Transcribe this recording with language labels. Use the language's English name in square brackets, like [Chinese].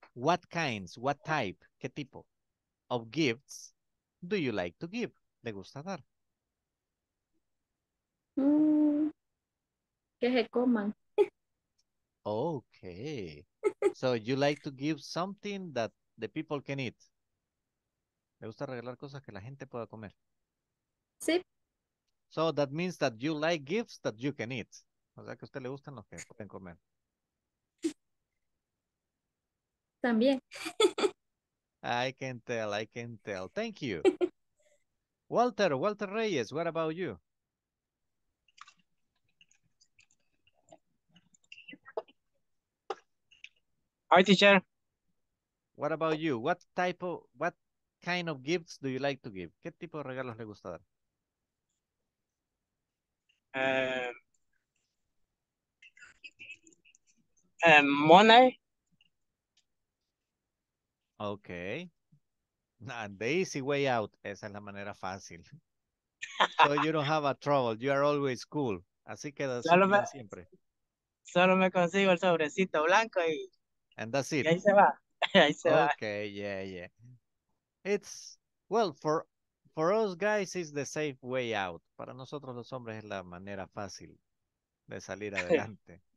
[English] What kinds, what type, [Spanish] qué tipo [English] of gifts do you like to give? [Spanish] ¿Le gusta dar? Que se coman. [English] Okay. So you like to give something that the people can eat. [Spanish] Me gusta regalar cosas que la gente pueda comer. Sí. [English] So that means that you like gifts that you can eat. [Spanish] O sea, que a usted le gustan los que pueden comer. También. [English] I can tell. Thank you. Walter Reyes, what about you? Hi, teacher. What about you? What kind of gifts do you like to give? [Spanish] ¿Qué tipo de regalos le gusta dar? [English] Money. Okay. The easy way out. [Spanish] Esa es la manera fácil. [English] So you don't have a trouble. You are always cool. [Spanish] Así queda siempre. Solo me consigo el sobrecito blanco y... [English] And that's it. [Spanish] Ahí se va. [English] Okay, yeah. It's, well, for us guys, it's the safe way out. [Spanish] Para nosotros los hombres es la manera fácil de salir adelante.